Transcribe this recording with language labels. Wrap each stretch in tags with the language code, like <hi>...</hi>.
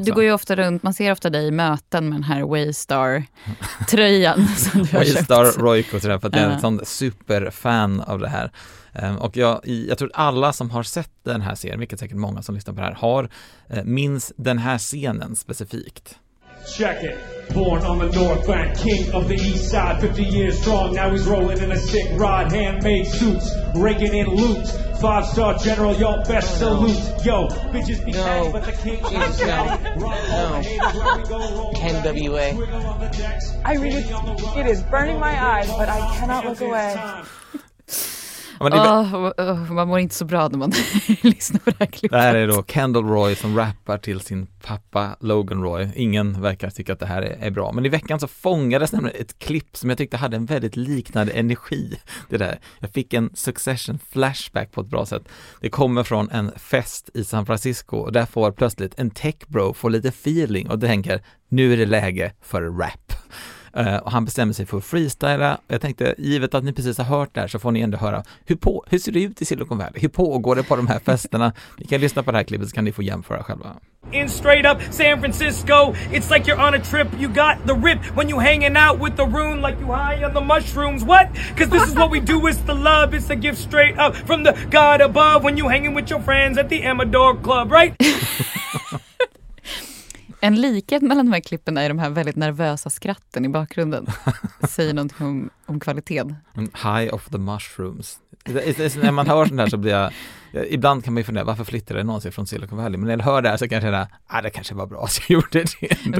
<sv>Du går ju ofta runt, man ser ofta dig i möten med den här Waystar-tröjan som du har köpt. Waystar Royco-tröjan, för att jag är en sån superfan av det här. Och jag tror att alla som har sett den här serien, vilket säkert många som lyssnar på det här, har minns den här scenen specifikt.</sv> <en>Check it. Born on the north bank, king of the east side, 50 years strong, now he's rolling in a sick ride, handmade suits, raking in loot, five-star general, y'all best salute, yo, bitches be no. Mad, but the king is no. No. No. NWA. I mean, it is burning my eyes, but I cannot look away.</en> <sv>Man mår inte så bra när man lyssnar på det här klippet. Det här är då Kendall Roy som rappar till sin pappa Logan Roy. Ingen verkar tycka att det här är bra. Men i veckan så fångades nämligen ett klipp som jag tyckte hade en väldigt liknande energi. Det där. Jag fick en Succession flashback på ett bra sätt. Det kommer från en fest i San Francisco. Och där får plötsligt en tech bro få lite feeling. Och tänker, nu är det läge för rap. Och han bestämmer sig för att freestyla. Jag tänkte, givet att ni precis har hört det här, så får ni ändå höra, hur ser det ut i Silicon Valley? Hur pågår det på de här festerna? Ni kan lyssna på det här klippet, så kan ni få jämföra själva.</sv> <en>In straight up San Francisco, it's like you're on a trip. You got the rip when you hanging out with the rune, like you high on the mushrooms. What? Cause this is what we do, it's the love. It's a gift straight up from the God above. When you hanging with your friends at the Amador Club, right?</en> <sv>En likhet mellan de här klippen är de här väldigt nervösa skratten i bakgrunden. Säger någonting om kvalitet. High of the mushrooms. När man hör sånt här så blir jag, ibland kan man ju fundera, varför flyttade det någonsin från Silicon Valley? Men när jag hör det här så kan jag känna, det kanske var bra att jag gjorde det ändå.</sv>